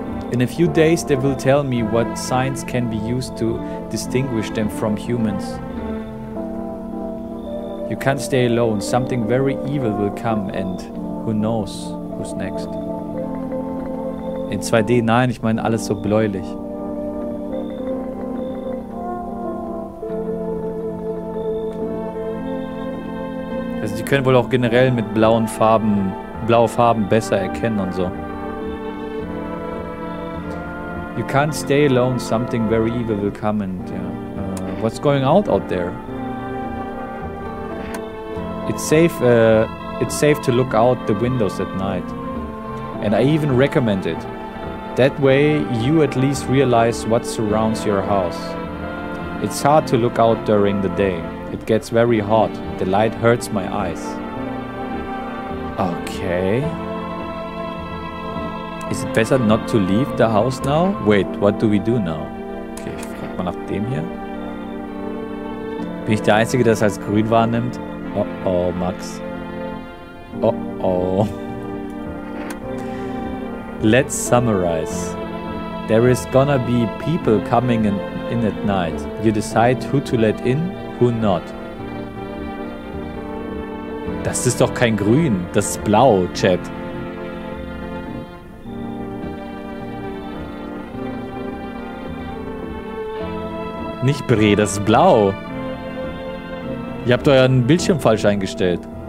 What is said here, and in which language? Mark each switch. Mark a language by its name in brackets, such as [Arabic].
[English] In a few days they will tell me what signs can be used to distinguish them from humans. You can't stay alone. Something very evil will come and who knows who's next. [German] In 2D, nein, ich meine alles so bläulich. Also die können wohl auch generell mit blauen Farben, blaue Farben besser erkennen und so. [English] You can't stay alone. Something very evil will come and yeah. What's going on out there? It's safe to look out the windows at night. And I even recommend it. That way you at least realize what surrounds your house. It's hard to look out during the day. It gets very hot. The light hurts my eyes. Okay. Is it better not to leave the house now? Wait, what do we do now? Okay, [German] ich frag mal nach dem hier. Bin ich der Einzige, der das als grün wahrnimmt? Oh oh, Max. Oh oh. [English] Let's summarize. There is gonna be people coming in at night. You decide who to let in, who not. [German] Das ist doch kein Grün, das ist Blau, Chat. Nicht Bre, das ist Blau. Ihr habt euren Bildschirm falsch eingestellt.